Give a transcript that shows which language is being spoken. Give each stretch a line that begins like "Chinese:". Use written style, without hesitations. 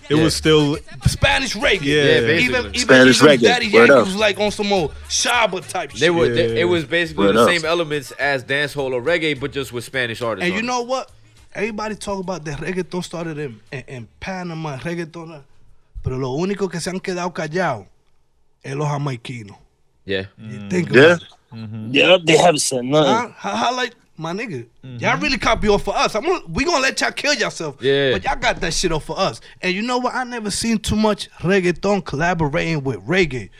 English: It was still Spanish reggae. Yeah, basically. Even Daddy Yankee was like on some old Shaba type shit. It was basically the same elements as dancehall or reggae, but just with Spanish artists. And on you know what? Everybody talk about that reggaeton started in Panama, reggaeton.
Spanish: Pero lo único que se han quedado callado es los jamaicanos.
English: Yeah. You think about it. Mm-hmm. Yeah, they haven't said nothing. I like my nigga. Mm-hmm. Y'all really copy off for us. We gonna let y'all kill yourself. Yeah. But y'all got that shit off for us. And you know what? I never seen too much reggaeton collaborating with reggae.